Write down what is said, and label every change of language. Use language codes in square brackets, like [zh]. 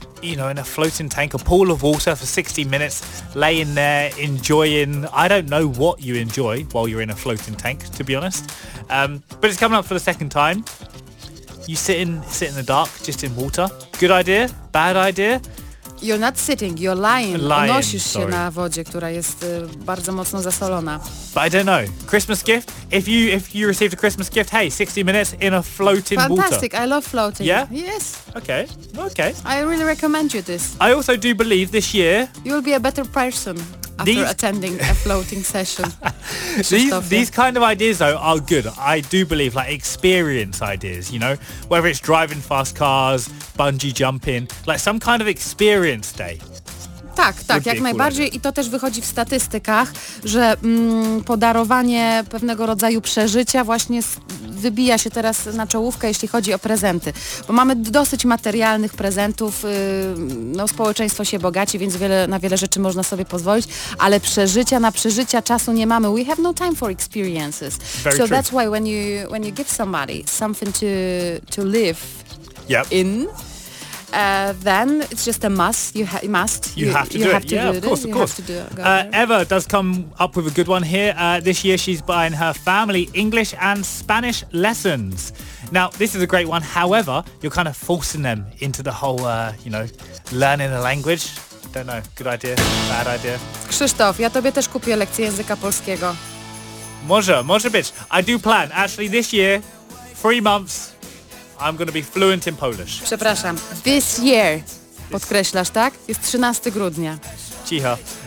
[en] You know, in a floating tank, a pool of water for 60 minutes, laying there, enjoying, I don't know what you enjoy while you're in a floating tank, to be honest. But it's coming up for the second time. You sit in the dark, just in water. Good idea? Bad idea? You're not sitting, you're lying. Lying, [pl] unosisz [en] sorry. [pl] Się na wodzie, która jest bardzo mocno zasolona. [en] But I don't know. Christmas gift? If you received a Christmas gift, hey, 60 minutes in a floating fantastic. Water. Fantastic, I love floating. Yeah? Yes. Okay. I really recommend you this. I also do believe this year... You will be a better person after attending a floating session. these kind of ideas, though, are good. I do believe, like, experience ideas, you know? Whether it's driving fast cars, bungee jumping, like some kind of experience day. [pl] Tak, jak najbardziej. I to też wychodzi w statystykach, że podarowanie pewnego rodzaju przeżycia właśnie wybija się teraz na czołówkę, jeśli chodzi o prezenty. Bo mamy dosyć materialnych prezentów, społeczeństwo się bogaci, więc na wiele rzeczy można sobie pozwolić, ale przeżycia czasu nie mamy. [en] We have no time for experiences. Very so true. That's why when you give somebody something to live yep. in... then it's just a must. You must. You have to do it. Yeah, of course. Have to do it. Eva does come up with a good one here. This year she's buying her family English and Spanish lessons. Now, this is a great one. However, you're kind of forcing them into the whole, learning a language. Don't know. Good idea. Bad idea. [pl] Krzysztof, ja tobie też kupię lekcję języka polskiego. Może być. [en] I do plan. Actually, this year, 3 months... I'm going to be fluent in Polish. [pl] Przepraszam. [en] This year. [pl] Podkreślasz, tak? Jest 13 grudnia. Cicho.